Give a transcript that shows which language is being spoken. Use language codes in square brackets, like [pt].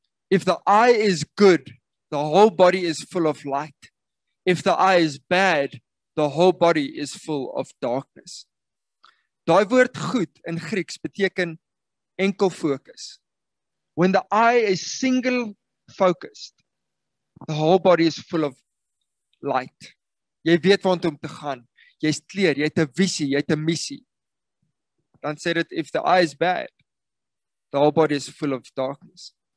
[en] If the eye is good, the whole body is full of light. If the eye is bad, the whole body is full of darkness." [af] Daai woord goed in Grieks beteken enkel fokus. [en] When the eye is single focused, the whole body is full of light. [af] Jy weet waartoe om te gaan. Jy's klaar, jy het 'n visie, jy het 'n missie. Dan sê dit, [en] if the eye is bad, the whole body is full of darkness.